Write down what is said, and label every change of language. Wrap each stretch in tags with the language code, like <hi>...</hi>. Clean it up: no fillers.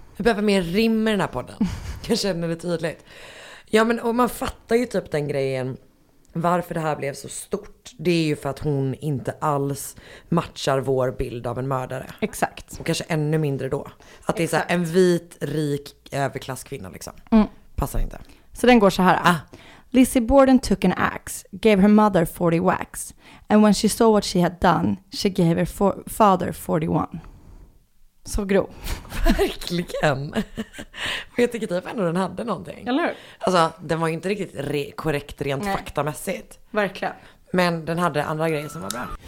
<sv>Du behöver mer rim med den här podden. Jag känner det tydligt. Ja, men och man fattar ju typ den grejen. Varför det här blev så stort, det är ju för att hon inte alls matchar vår bild av en mördare. Exakt. Och kanske ännu mindre då. Att det är så här, en vit, rik, överklasskvinna liksom. Mm. Passar inte. Så den går så här. Ah.</sv> <en>Lizzie Borden took an axe, gave her mother 40 whacks. And when she saw what she had done, she gave her father 41.</en> <sv>Så grov. Verkligen. Men jag tycker typ ändå den hade någonting. Eller hur? Alltså, den var ju inte riktigt korrekt rent faktamässigt. Verkligen. Men den hade andra grejer som var bra.</sv>